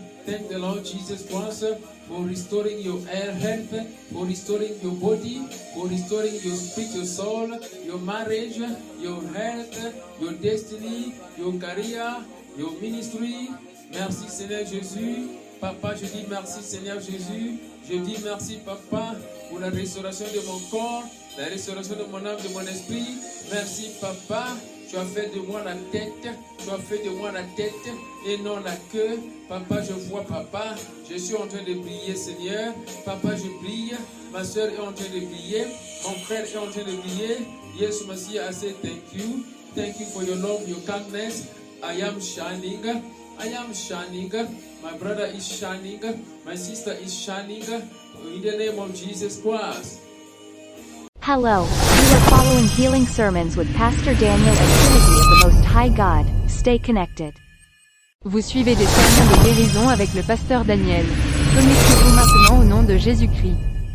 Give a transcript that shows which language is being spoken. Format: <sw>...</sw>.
<en>Thank the Lord Jesus Christ for restoring your health, for restoring your body, for restoring your spirit, your soul, your marriage, your health, your destiny, your career, your ministry.</en> <fr>Merci Seigneur Jésus, Papa, je dis merci Seigneur Jésus, je dis merci Papa pour la restauration de mon corps, la restauration de mon âme, de mon esprit. Merci Papa, tu as fait de moi la tête, tu as fait de moi la tête et non la queue. Papa, je vois Papa, je suis en train de briller Seigneur, Papa je brille, ma soeur est en train de briller, mon frère est en train de briller.</fr> <en>Yes, merci, I say thank you for your love, your kindness, I am shining. I am shining. My brother is shining. My sister is shining. In the name of Jesus Christ. Hello. You are following healing sermons with Pastor Daniel and Trinity of the Most High God. Stay connected.</en> <fr>Vous suivez des sermons de guérison avec le Pasteur Daniel. Connectez-vous maintenant au nom de Jésus-Christ.</fr>